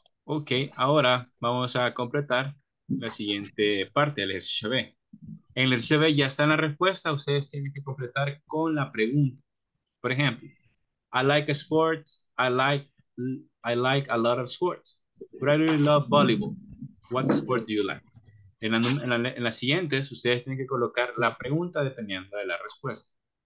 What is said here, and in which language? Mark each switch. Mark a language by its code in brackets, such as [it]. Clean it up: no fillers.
[es] Ok, ahora vamos a completar la siguiente parte del ejercicio B. En el ejercicio B ya está la respuesta, ustedes tienen que completar con la pregunta. Por ejemplo, [en] I like sports, I like a lot of sports, but I really love volleyball. What sport do you like? [es] En las siguientes, ustedes tienen que colocar la pregunta dependiendo de la respuesta.